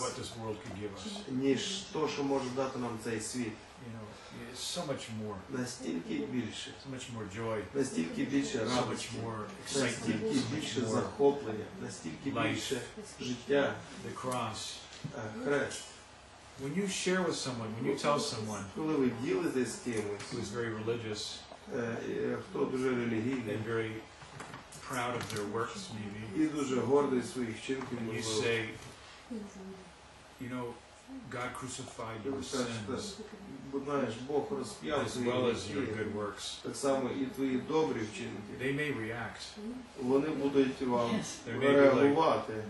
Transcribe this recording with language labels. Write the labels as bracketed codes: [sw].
[en] what this world can give us. [uk] Ніж то, що може дати нам цей світ. [en] So much more. [uk] Настільки більше. [en] So much more joy. [uk] Настільки більше радості. [en] So much more excitement. [uk] Настільки більше захоплення. Настільки більше життя. [en] The cross. [uk] Хрест. [en] When you share with someone, when you tell someone, [uk] коли ви ділитесь з кимось, [en] who's very religious, [uk] хто дуже релігійний, [en] and very proud of their works, maybe, [uk] і дуже гордий своїх вчинків, [en] you say, you know, God crucified your sins. As well as your good works. [uk] Так само і твої добрі вчинки. [en] They may react. [uk] Вони будуть вам реагувати.